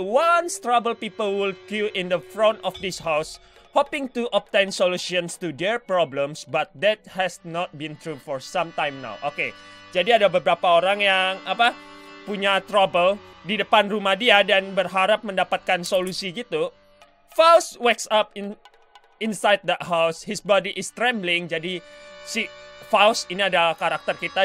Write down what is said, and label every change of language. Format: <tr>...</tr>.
<en>Once troubled people will queue in the front of this house, hoping to obtain solutions to their problems, but that has not been true for some time now. Okay.</en> <id>Jadi ada beberapa orang yang, apa, punya trouble di depan rumah dia dan berharap mendapatkan solusi gitu.</id> <en>Faust wakes up inside that house, his body is trembling.</en> <id>Jadi si Faust ini adalah karakter kita.</id>